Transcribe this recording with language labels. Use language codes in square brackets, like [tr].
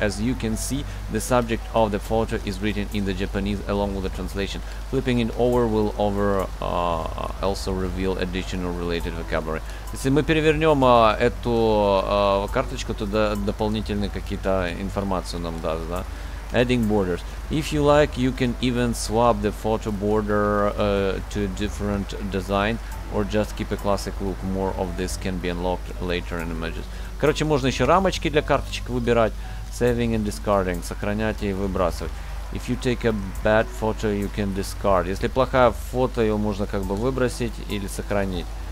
[en] As you can see, the subject of the photo is written in the Japanese along with the translation. Flipping it over will over also reveal additional related vocabulary. [ru] Если мы перевернем эту карточку, то дополнительные какие-то информацию нам даст, да. [en] Adding borders. If you like, you can even swap the photo border to a different design, or just keep a classic look. More of this can be unlocked later in images. [ru] Короче, можно еще рамочки для карточек выбирать. [en] Saving and discarding. [ru] Сохранять и выбрасывать. [en] If you take a bad photo, you can discard. [ru] Если плохая фото, его можно как бы выбросить или сохранить.